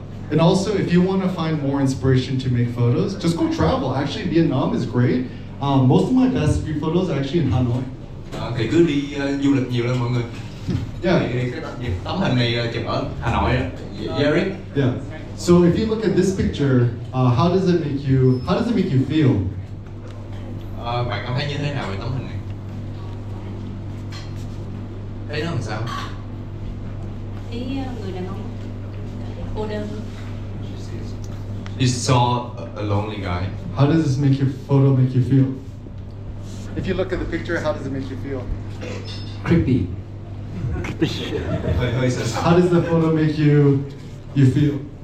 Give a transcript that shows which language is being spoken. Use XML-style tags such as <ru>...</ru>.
<en>and also if you want to find more inspiration to make photos, just go travel. Actually Vietnam is great. Most of my best few photos are actually in Hanoi.</en> <vi>Thì cứ đi du lịch nhiều lên mọi người.</vi> <en>Yeah.</en> <vi>Tấm hình này chụp ở Hà Nội á. Eric.</vi> <en>Yeah. So if you look at this picture, how does it make you feel?</en> <vi>Bạn cảm thấy như thế nào về tấm hình này? Thấy nó làm sao? Thấy người đàn ông cô đơn.</vi> <en>You saw a lonely guy. How does this make your photo make you feel? If you look at the picture, how does it make you feel? Creepy. How does the photo make you feel?</en>